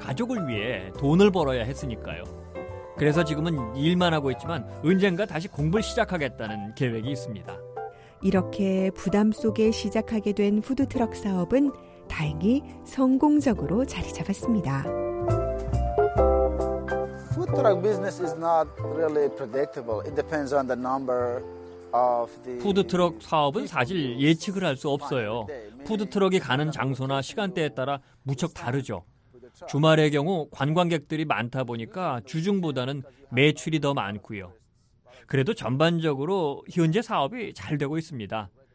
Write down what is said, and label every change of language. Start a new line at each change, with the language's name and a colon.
Korean: 가족을 위해 돈을 벌어야 했으니까요. 그래서 지금은 일만 하고 있지만 언젠가 다시 공부를 시작하겠다는 계획이 있습니다. 이렇게 부담 속에 시작하게 된 푸드트럭 사업은 다행히 성공적으로 자리 잡았습니다.
English: Food truck business is not really predictable. It depends on the number
Korean: 푸드트럭 사업은 사실 예측을 할 수 없어요. 푸드트럭이 가는 장소나 시간대에 따라 무척 다르죠. 주말의 경우 관광객들이 많다 보니까 주중보다는 매출이 더 많고요. 그래도 전반적으로 현재 사업이 잘 되고 있습니다.